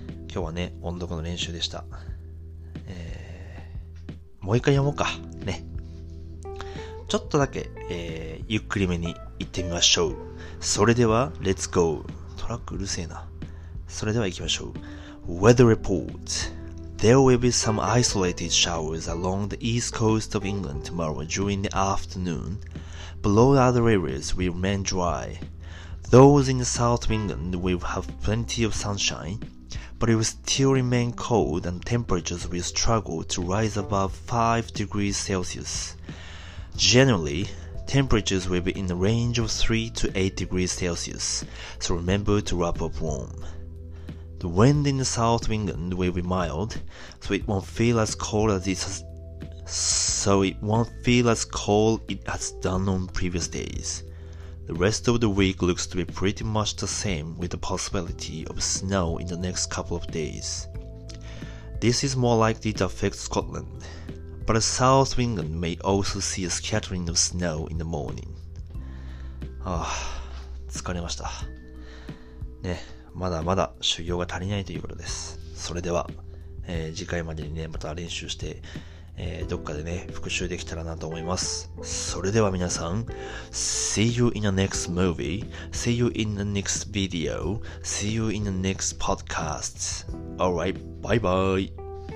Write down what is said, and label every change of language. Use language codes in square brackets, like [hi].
[ja] 今日はね、音読の練習でした。もう一回読もうか。ね。ちょっとだけ、ゆっくりめに行ってみましょう。それでは、レッツゴー。トラックうるせえな。それでは行きましょう。 [en] Weather report. There will be some isolated showers along the east coast of England tomorrow during the afternoon, but all other areas will remain dry. Those in the south of England will have plenty of sunshine. But it will still remain cold and temperatures will struggle to rise above 5 degrees Celsius. Generally, temperatures will be in the range of 3 to 8 degrees Celsius, so remember to wrap up warm. The wind in the south of England will be mild, so it won't feel as cold as it has, so it won't feel as cold it has done on previous days. The rest of the week looks to be pretty much the same with the possibility of snow in the next couple of days. This is more likely to affect Scotland, but the south of England may also see a scattering of snow in the morning. [ja] ああ、疲れました。ね、まだまだ修行が足りないということです。それでは、次回までにね、また練習して、どっかでね、復習できたらなと思います。それでは皆さん、 [en] See you in the next movie. See you in the next video. See you in the next podcast. Alright, bye bye.